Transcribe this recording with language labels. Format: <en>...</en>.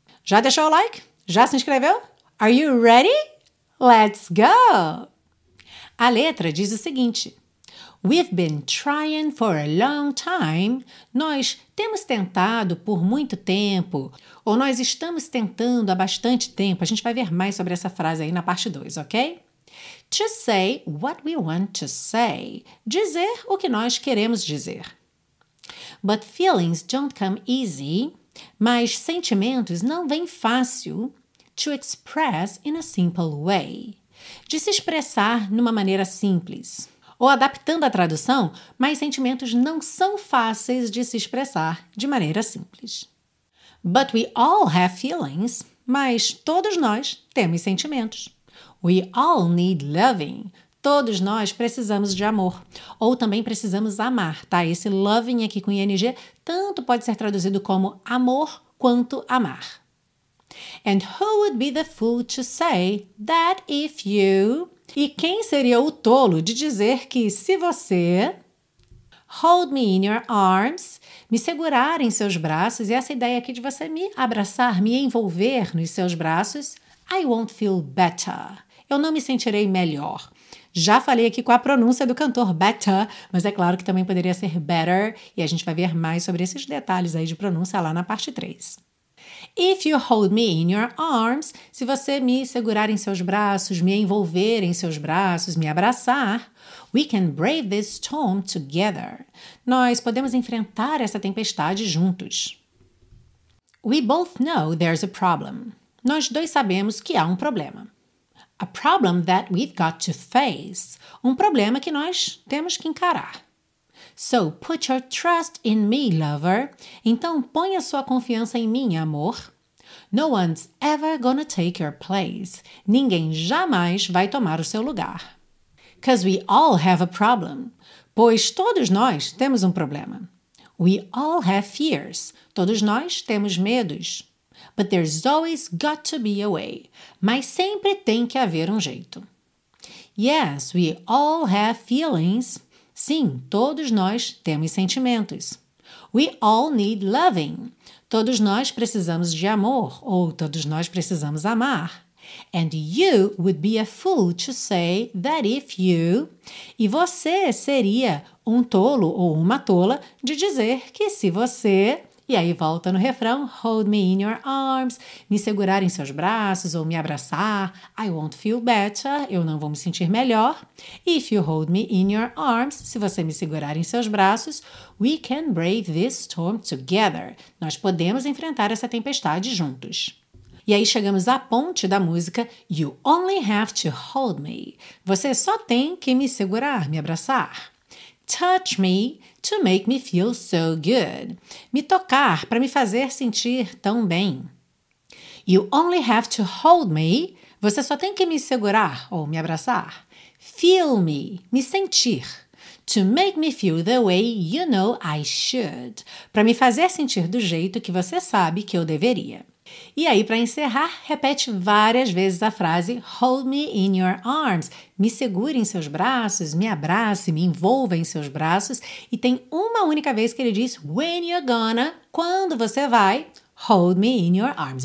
<pt>Já deixou o like? Já se inscreveu?</pt> <en>Are you ready? Let's go!</en> <pt>A letra diz o seguinte:</pt> <en>We've been trying for a long time.</en> <pt>Nós temos tentado por muito tempo. Ou nós estamos tentando há bastante tempo. A gente vai ver mais sobre essa frase aí na parte 2, ok?</pt> <en>To say what we want to say.</en> <pt>Dizer o que nós queremos dizer.</pt> <en>But feelings don't come easy.</en> <pt>Mas sentimentos não vêm fácil.</pt> <en>To express in a simple way.</en> <pt>De se expressar numa maneira simples. Ou adaptando a tradução, mas sentimentos não são fáceis de se expressar de maneira simples.</pt> <en>But we all have feelings,</en> <pt>mas todos nós temos sentimentos.</pt> <en>We all need loving,</en> <pt>todos nós precisamos de amor. Ou também precisamos amar, tá? Esse loving aqui com ING tanto pode ser traduzido como amor quanto amar.</pt> <en>And who would be the fool to say that if you...</en> <pt>E quem seria o tolo de dizer que se você</pt> <en>hold me in your arms,</en> <pt>me segurar em seus braços, e essa ideia aqui de você me abraçar, me envolver nos seus braços,</pt> <en>I won't feel better.</en> <pt>Eu não me sentirei melhor. Já falei aqui com a pronúncia do cantor better, mas é claro que também poderia ser better, e a gente vai ver mais sobre esses detalhes aí de pronúncia lá na parte 3.</pt> <en>If you hold me in your arms,</en> <pt>se você me segurar em seus braços, me envolver em seus braços, me abraçar,</pt> <en>we can brave this storm together.</en> <pt>Nós podemos enfrentar essa tempestade juntos.</pt> <en>We both know there's a problem.</en> <pt>Nós dois sabemos que há um problema.</pt> <en>A problem that we've got to face.</en> <pt>Um problema que nós temos que encarar.</pt> <en>So, put your trust in me, lover.</en> <pt>Então, ponha sua confiança em mim, amor.</pt> <en>No one's ever gonna take your place.</en> <pt>Ninguém jamais vai tomar o seu lugar.</pt> <en>'Cause we all have a problem.</en> <pt>Pois todos nós temos um problema.</pt> <en>We all have fears.</en> <pt>Todos nós temos medos.</pt> <en>But there's always got to be a way.</en> <pt>Mas sempre tem que haver um jeito.</pt> <en>Yes, we all have feelings.</en> <pt>Sim, todos nós temos sentimentos.</pt> <en>We all need loving.</en> <pt>Todos nós precisamos de amor, ou todos nós precisamos amar.</pt> <en>And you would be a fool to say that if you...</en> <pt>E você seria um tolo ou uma tola de dizer que se você... E aí volta no refrão,</pt> <en>hold me in your arms,</en> <pt>me segurar em seus braços ou me abraçar,</pt> <en>I won't feel better,</en> <pt>eu não vou me sentir melhor.</pt> <en>If you hold me in your arms,</en> <pt>se você me segurar em seus braços,</pt> <en>we can brave this storm together.</en> <pt>Nós podemos enfrentar essa tempestade juntos. E aí chegamos à ponte da música,</pt> <en>you only have to hold me.</en> <pt>Você só tem que me segurar, me abraçar.</pt> <en>Touch me to make me feel so good.</en> <pt>Me tocar para me fazer sentir tão bem.</pt> <en>You only have to hold me.</en> <pt>Você só tem que me segurar ou me abraçar.</pt> <en>Feel me.</en> <pt>Me sentir.</pt> <en>To make me feel the way you know I should.</en> <pt>Para me fazer sentir do jeito que você sabe que eu deveria. E aí, para encerrar, repete várias vezes a frase</pt> <en>hold me in your arms,</en> <pt>me segure em seus braços, me abrace, me envolva em seus braços. E tem uma única vez que ele diz</pt> <en>when you're gonna,</en> <pt>quando você vai,</pt> <en>hold me in your arms.</en>